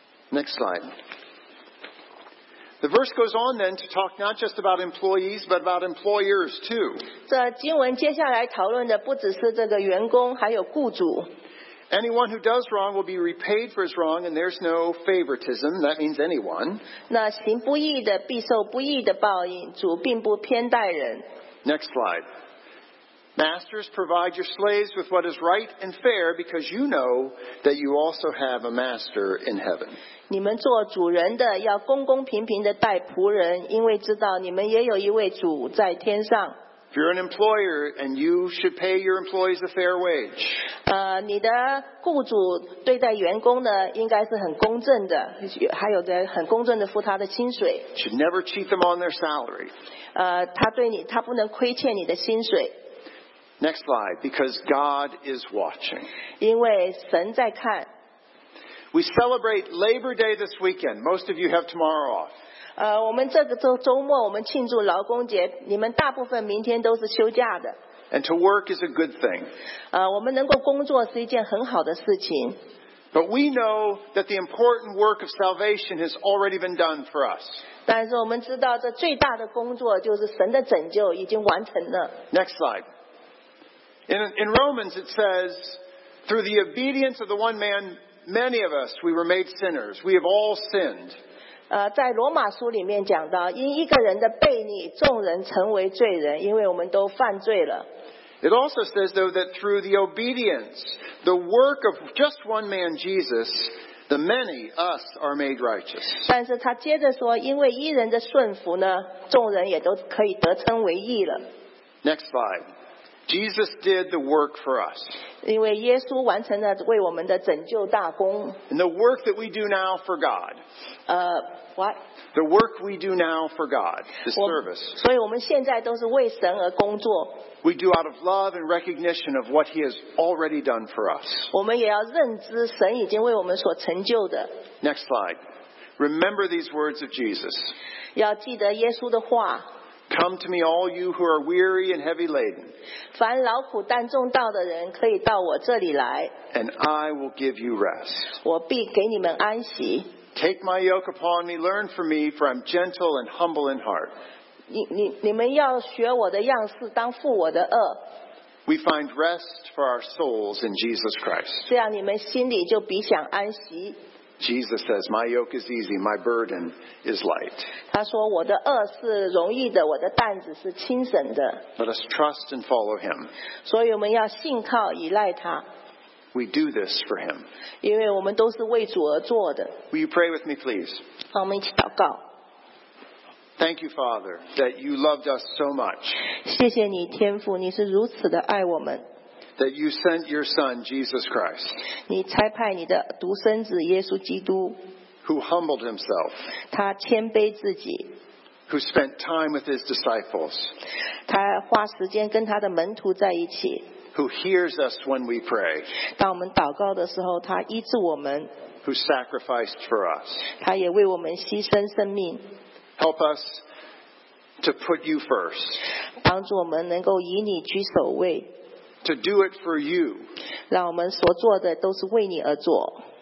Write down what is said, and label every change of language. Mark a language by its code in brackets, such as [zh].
[en] Next slide. The verse goes on then to talk not just about employees, but about employers too. [zh] 这经文接下来讨论的不只是这个员工，还有雇主。 [en] Anyone who does wrong will be repaid for his wrong, and there's no favoritism. That means anyone. [zh] 那行不义的必受不义的报应，主并不偏待人。 [en] Next slide. Masters, provide your slaves with what is right and fair, because you know that you also have a master in heaven. [zh] 你们做主人的要公公平平地待仆人，因为知道你们也有一位主在天上。 [en] If you're an employer, and you should pay your employees a fair wage. [zh] 你的雇主对待员工呢，应该是很公正的，还有的很公正地付他的薪水。 [en] Should never cheat them on their salary. [zh] 他对你，他不能亏欠你的薪水。 [en] Next slide, because God is watching. [zh] 因为神在看。 [en] We celebrate Labor Day this weekend. Most of you have tomorrow off. [zh] 我们这个周末我们庆祝劳工节，你们大部分明天都是休假的。 [en] And to work is a good thing. [zh] 我们能够工作是一件很好的事情。 [en] But we know that the important work of salvation has already been done for us. [zh] 但是我们知道这最大的工作就是神的拯救已经完成了。 [en] Next slide. In Romans it says, through the obedience of the one man, many of us, we were made sinners. We have all sinned. [zh] 在罗马书里面讲到，因一个人的悖逆，众人成为罪人，因为我们都犯罪了。 [en] It also says, though, that through the obedience, the work of just one man, Jesus, the many, us, are made righteous. [zh] 但是他接着说，因为一人的顺服呢，众人也都可以得称为义了。 [en] Next slide. Jesus did the work for us. [zh] 因为耶稣完成了为我们的拯救大功。 [en] And the work that we do now for God. What? The work we do now for God, the service. [zh] 所以我们现在都是为神而工作。 [en] We do out of love and recognition of what He has already done for us. [zh] 我们也要认知神已经为我们所成就的。 [en] Next slide. Remember these words of Jesus. [zh] 要记得耶稣的话。 [en] Come to me, all you who are weary and heavy laden. [zh] 凡劳苦担重担的人可以到我这里来。 [en] And I will give you rest. [zh] 我必给你们安息。 [en] Take my yoke upon me, learn from me, for I'm gentle and humble in heart. [zh] 你们要学我的样式，当负我的轭。 [en] We find rest for our souls in Jesus Christ. [zh] 这样你们心里就必享安息。 [en] Jesus says, "My yoke is easy, my burden is light." [zh] 他说我的轭是容易的，我的担子是轻省的。 [en] Let us trust and follow Him. [zh] 所以我们要信靠依赖他。 [en] We do this for Him. [zh] 因为我们都是为主而做的。 [en] Will you pray with me, please? [zh] 好，我们一起祷告。 [en] Thank you, Father, that you loved us so much. [zh] 谢谢你，天父，你是如此的爱我们。 [en] That you sent your Son Jesus Christ, [zh] 你差派你的独生子耶稣基督 [en] who humbled himself, [zh] 他谦卑自己 [en] who spent time with his disciples, [zh] 他花时间跟他的门徒在一起 [en] who hears us when we pray, [zh] 当我们祷告的时候，他医治我们 [en] who sacrificed for us, [zh] 他也为我们牺牲生命 [en] help us to put you first, [zh] 帮助我们能够以你居首位。 [en] To do it for you. [zh] 让我们所做的都是为你而做。